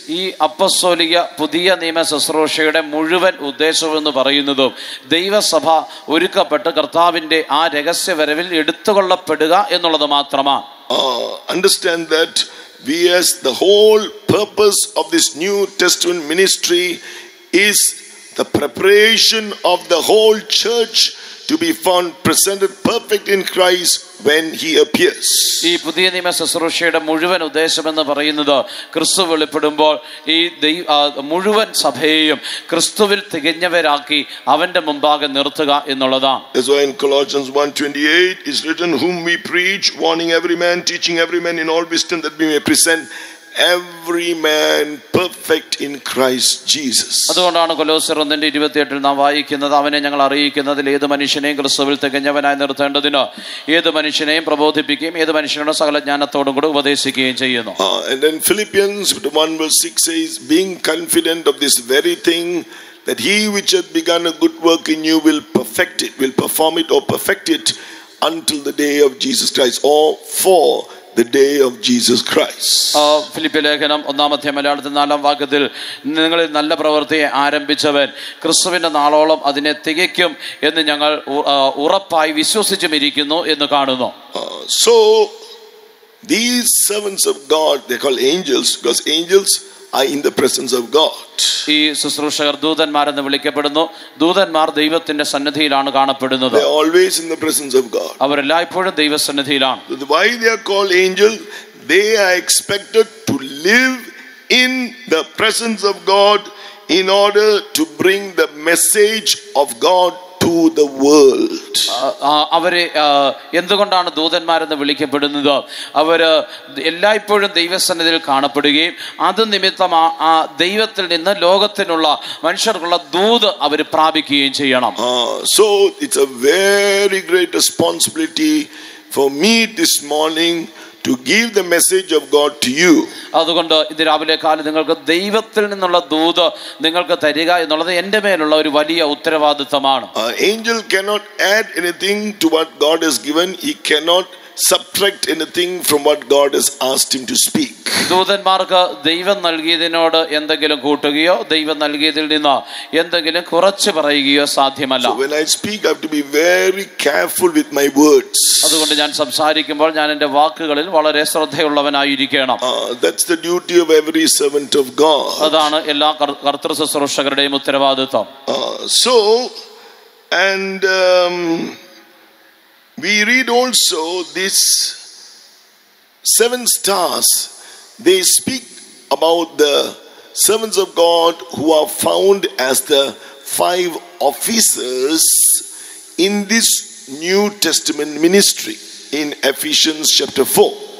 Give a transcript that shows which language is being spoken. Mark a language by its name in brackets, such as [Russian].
[Malayalam] ഈ അപ്പസ്തോലിക പുതിയ നിയമ ശുശ്രൂഷയുടെ മുഴുവൻ ഉദ്ദേശം എന്ന് പറയുന്നതും ദൈവസഭ ഒരുക്കപ്പെട്ട് കർത്താവിന്റെ ആ രഹസ്യ വരവിൽ എടുത്തുകൊള്ളപ്പെടുക എന്നുള്ളത് മാത്രമാണ്. [English] Understand that VS the whole purpose of this New Testament ministry is the preparation of the whole church to be found presented perfect in Christ when he appears. [Malayalam] ഈ പുതിയ നിയമ ശുശ്രൂഷയുടെ മുഴുവൻ ഉദ്ദേശം എന്ന് പറയുന്നത് ക്രിസ്തു വെളിപ്പെടുമ്പോൾ ഈ മുഴുവൻ സഭയെയും ക്രിസ്തുവിൽ തികഞ്ഞവരാക്കി അവന്റെ മുമ്പാകെ നിർത്തുക എന്നുള്ളതാണ്. [English] That's why in Colossians 1:28 is written, whom we preach, warning every man, teaching every man in all wisdom, that we may present every man perfect in Christ Jesus. [Malayalam] അതുകൊണ്ടാണ് കൊലോസ്യർ 1:28 ൽ നാം വായിക്കുന്നത്, അവനെ ഞങ്ങൾ അറിയിക്കുന്നതിൽ ഏത് മനുഷ്യനെയും ക്രിസ്തുവിൽ തികഞ്ഞവനായി നിർത്തേണ്ടതിന് ഏത് മനുഷ്യനെയും പ്രബോധിപ്പിക്കുകയും ഏത് മനുഷ്യനോട് സകലജ്ഞാനത്തോടും കൂടെ ഉപദേശിക്കുകയും ചെയ്യുന്നു. [English] And then Philippians 1:6 says, being confident of this very thing, that he which hath begun a good work in you will perfect it, will perform it or perfect it until the day of Jesus Christ, or for the day of Jesus Christ. [Malayalam] ഫിലിപ്പിലേഖനം 1:4 നിങ്ങളിൽ നല്ല പ്രവൃത്തിയെ ആരംഭിച്ചവൻ ക്രിസ്തുവിന്റെ നാളോളം അതിനെ തികയ്ക്കും എന്ന് ഞങ്ങൾ ഉറപ്പായി വിശ്വസിച്ചും ഇരിക്കുന്നു എന്ന് കാണുന്നു. [English] So these servants of God, they're called angels because angels are in the presence of God. [Malayalam] ഈ ശുശ്രൂഷകർ ദൂതന്മാർ എന്ന് വിളിക്കപ്പെടുന്നു. ദൂതന്മാർ ദൈവത്തിന്റെ സന്നിധിയിലാണ് കാണപ്പെടുന്നത്. [English] They are always in the presence of God. [Malayalam] അവർ എല്ലായ്പ്പോഴും ദൈവസന്നിധിയിലാണ്. [English] Why they are called angels? They are expected to live in the presence of God in order to bring the message of God to the world. [Malayalam] അവരെ എന്തുകൊണ്ടാണ് ദൂതന്മാരെന്ന് വിളിക്കപ്പെടുന്നത്? അവർ എല്ലായ്പ്പോഴും ദൈവസന്നിധിയിൽ കാണപ്പെടുകയും അത് നിമിത്തം ആ ദൈവത്തിൽ നിന്ന് ലോകത്തിനുള്ള മനുഷ്യർക്കുള്ള ദൂത് അവർ പ്രാപിക്കുകയും ചെയ്യണം. [English] So it's a very great responsibility for me this morning to give the message of God to you. [Malayalam] അതുകൊണ്ട് ഇന്ന് രാവിലെ കാലം നിങ്ങൾക്ക് ദൈവത്തിൽ നിന്നുള്ള ദൂത് നിങ്ങൾക്ക് തരിക എന്നുള്ളത് എൻ്റെ മേലുള്ള ഒരു വലിയ ഉത്തരവാദിത്തമാണ്. [English] Angel cannot add anything to what God has given. He cannot subtract anything from what God has asked him to speak. [Malayalam] ദൂതന്മാർക്ക് ദൈവം നൽകിയതിനോട് എന്തെങ്കിലും കൂട്ടുകയോ ദൈവം നൽകിയതിൽ നിന്ന് എന്തെങ്കിലും കുറച്ച് പറയുകയോ സാധ്യമല്ല. [English] So when I speak, I have to be very careful with my words. [Malayalam] അതുകൊണ്ട് ഞാൻ സംസാരിക്കുമ്പോൾ ഞാൻ എൻ്റെ വാക്കുകളിൽ വളരെ ശ്രദ്ധയുള്ളവനായിരിക്കണം. [English] That's the duty of every servant of God. [Malayalam] അതാണ് എല്ലാ കർത്തൃശുശ്രൂഷകരുടെയും ഉത്തരവാദിത്വം. [English] So and we read also this seven stars, they speak about the servants of God who are found as the five officers in this New Testament ministry in Ephesians chapter 4.